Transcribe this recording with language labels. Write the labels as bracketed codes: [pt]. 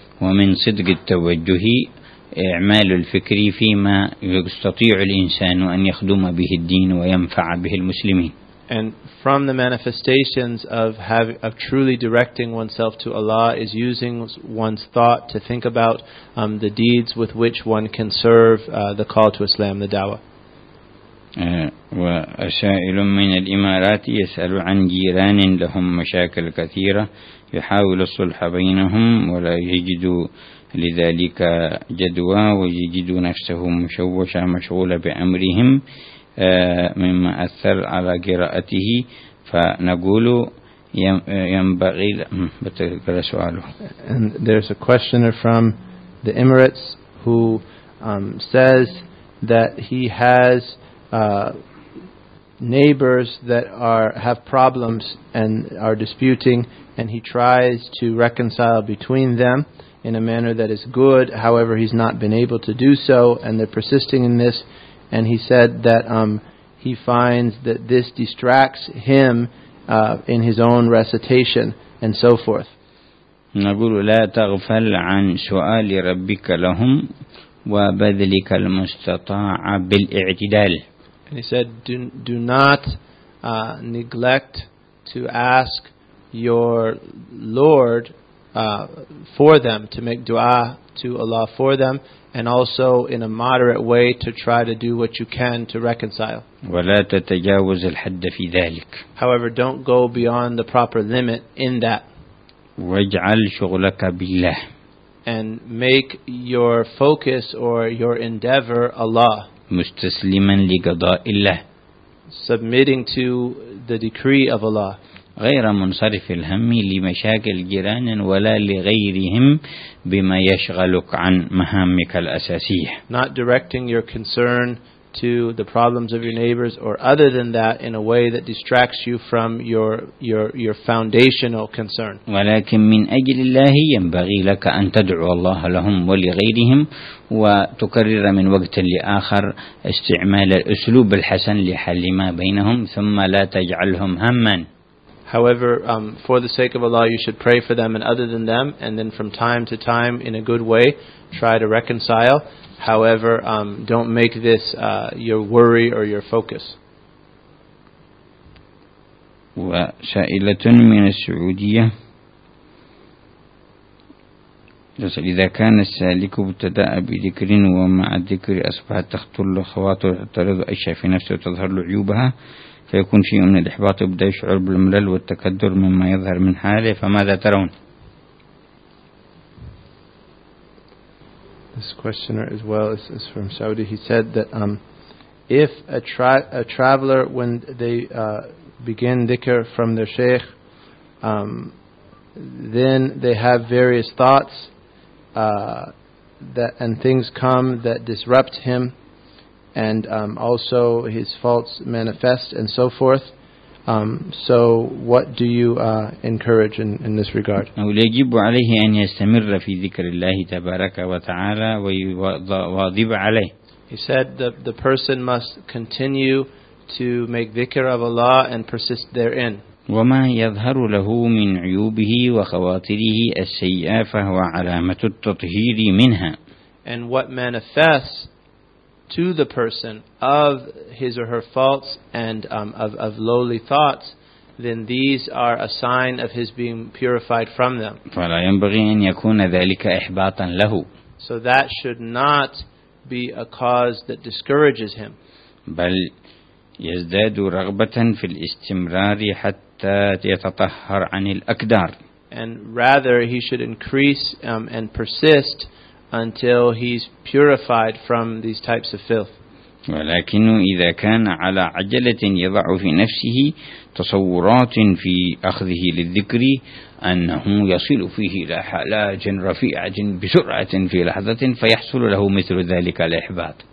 [ar] ومن صدق التوجه إعمال الفكر فيما يستطيع الإنسان أن يخدم به الدين وينفع به المسلمين. [en] And from the manifestations of truly directing oneself to Allah is using one's thought to think about the deeds with which one can serve the call to Islam, the dawah. [ar] وسائل من الإمارات يسأل عن جيران لهم مشاكل كثيرة يحاول الصلح بينهم ولا يجدوا لذلك جدوى ويجد نفسه مشوشة مشغولة بأمرهم مما أثر على قراءته فنقول ينبغي بتقرأ سؤاله [en] And there's a questioner from the Emirates who says that he has neighbors that have problems and are disputing and he tries to reconcile between them in a manner that is good, however, he's not been able to do so, and they're persisting in this, and he said that he finds that this distracts him in his own recitation, and so forth. [ar] نقول لا تغفل عن سؤال ربك لهم وبذلك المستطاع بالاعتدال. [en] And he said, do not neglect to ask your Lord for them, to make dua to Allah for them, and also in a moderate way to try to do what you can to reconcile. [ar] وَلَا تَتَجَاوَزَ الْحَدَّ فِي ذَلِكَ [en] However, don't go beyond the proper limit in that. [ar] وَاجْعَلْ شُغْلَكَ بِاللَّهِ [en] And make your focus or your endeavor Allah. [ar] مُسْتَسْلِمًا لِقَضَاءِ اللَّهِ [en] Submitting to the decree of Allah. [ar] غير منصرف الهم لمشاكل جيران ولا لغيرهم بما يشغلك عن مهامك الأساسية [en] Not directing your concern to the problems of your neighbors or other than that in a way that distracts you from your foundational concern [ar] ولكن من أجل الله ينبغي لك أن تدعو الله لهم ولغيرهم وتكرر من وقت لآخر استعمال الأسلوب الحسن لحل ما بينهم ثم لا تجعلهم هما [en] However, for the sake of Allah, you should pray for them and other than them, and then from time to time, in a good way, try to reconcile. However, don't make this your worry or your focus. [ar] وسائلة من السعودية إذا كان السالك ابتدأ بذكر ومع الذكر أصبحت تخطر له خواطر وتعترض أشياء في نفسه وتظهر له عيوبها فيكون شيء من الإحباط وبدأ يشعر بالملل والتكدر مما يظهر من حاله فماذا ترون؟ [en] This questioner as well is from Saudi. He said that if a traveler when they begin dhikr from their sheikh, then they have various thoughts that and things come that disrupt him. And also his faults manifest and so forth. So what do you encourage in this regard? [ar] يجب عليه أن يستمر في ذكر الله تبارك وتعالى ويواظب عليه. [en] He said the person must continue to make dhikr of Allah and persist therein. [ar] وما يظهر له من عيوبه وخواطره السيئة فهو علامة التطهير منها. [en] And what manifests to the person of his or her faults and of lowly thoughts, then these are a sign of his being purified from them. [ar] فلا ينبغي أن يكون ذلك إحباطا له. [en] So that should not be a cause that discourages him. [ar] بل يزداد رغبة في الاستمرار حتى يتطهر عن الأكدار. [en] And rather he should increase and persist until he's purified from these types of filth. [ar] ولكن إذا كان على عجلة يضع في نفسه تصورات في أخذه للذكر أنه يصل فيه إلى حلاج رفيعة بسرعة في لحظة فيحصل له مثل ذلك الإحباط.